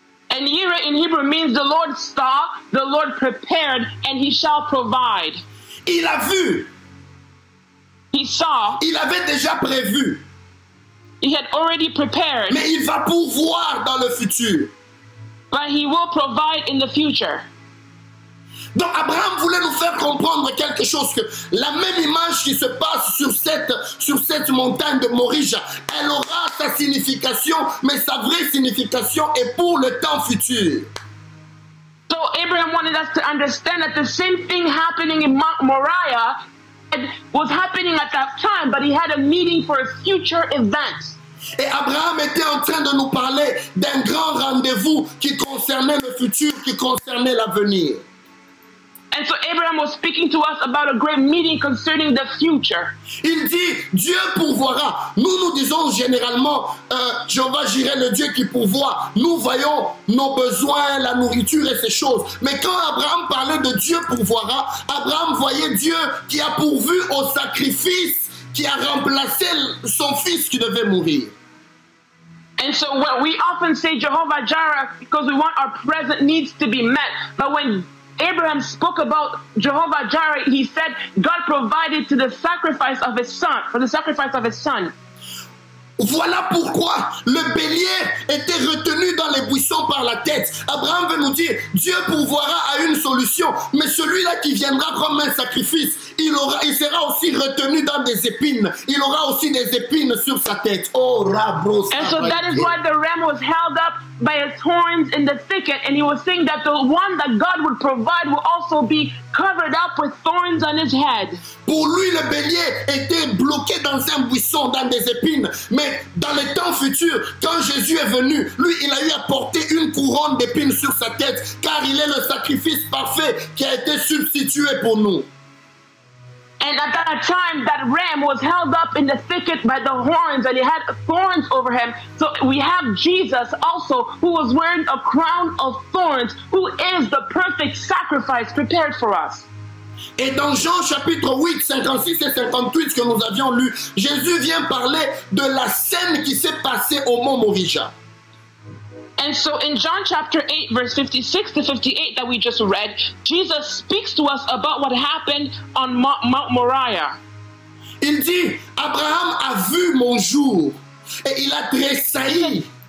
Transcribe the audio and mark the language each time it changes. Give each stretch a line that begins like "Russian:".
English: And Jireh in Hebrew means the Lord saw, the Lord prepared, and he shall provide.
French: Il a vu.
English: He saw.
French: Il avait déjà prévu.
English: He had already prepared.
French: Mais il va pourvoir dans le futur.
English: But he will provide in the future.
French: Donc Abraham voulait nous faire comprendre quelque chose, que la même image qui se passe sur cette montagne de Morija, elle aura sa signification, mais sa vraie signification est pour le temps futur.
English: So Abraham wanted us to understand that the same thing happening in Mount Moriah was happening at that time, but he had a meeting for a future event.
French: Et Abraham était en train de nous parler d'un grand rendez-vous qui concernait le futur, qui concernait l'avenir.
English: And so Abraham was speaking to us about a great meeting concerning the future.
French: Il dit, Dieu pourvoira. Nous disons généralement, Jéhovah Jireh, le Dieu qui pourvoit. Nous voyons nos besoins, la nourriture et ces choses. Mais quand Abraham parlait de Dieu pourvoira, Abraham voyait Dieu qui a pourvu au sacrifice, qui a remplacé son fils qui devait mourir.
English: And so we often say Jehovah Jireh because we want our present needs to be met. But when Abraham spoke about Jehovah Jireh, he said God provided to the sacrifice of his son, for the sacrifice of his son.
French: Voilà pourquoi le bélier était retenu dans les buissons par la tête. Abraham veut nous dire Dieu pourvoira à une solution, mais celui-là qui viendra comme un sacrifice, il sera aussi retenu dans des épines. Il aura aussi des épines sur sa tête. Oh, Rabros.
English: And so that is why the ram was held up by its horns in the thicket, and he was saying that the one that God would provide will also be covered up with thorns on his head.
French: Pour lui, le bélier était bloqué dans un buisson, dans des épines. Mais dans les temps futurs, quand Jésus est venu, lui, il a eu à porter une couronne d'épines sur sa tête, car il est le sacrifice parfait qui a été substitué pour nous.
English: And at that time, that ram was held up in the thicket by the horns, and he had thorns over him. So we have Jesus also, who was wearing a crown of thorns, who is the perfect sacrifice prepared for us.
French: Et dans Jean chapitre 8, 56 et 58, ce que nous avions lu, Jésus vient parler de la scène qui s'est passée au mont Morija.
English: And so in John chapter 8, verse 56 to 58 that we just read, Jesus speaks to us about what happened on Mount Moriah.
French: Il dit, Abraham a vu mon jour et il a tressailli.